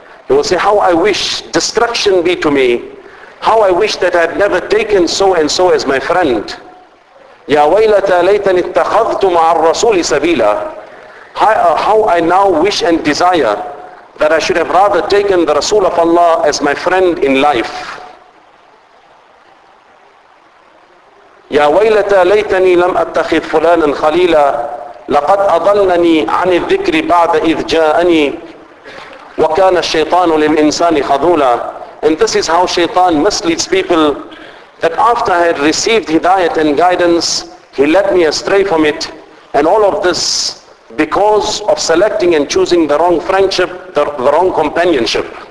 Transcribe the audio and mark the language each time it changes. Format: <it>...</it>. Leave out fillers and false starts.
<en>He will say, how I wish destruction be to me. How I wish that I had never taken so and so as my friend.</en> <ar>Ya waylata laytani attakhadtu ma'ar rasooli sabila.</ar> <en>How I now wish and desire that I should have rather taken the Rasul of Allah as my friend in life.</en> <ar>يا ويلتا ليتني لم أتخذ فلانا خليلا لقد أضلني عن الذكر بعد إذ جاءني وكان الشيطان للإنسان خذولا.</ar> <en>And this is how Shaitan misleads people, that after I had received hidayat and guidance, he led me astray from it. And all of this because of selecting and choosing the wrong friendship, the wrong companionship.</en>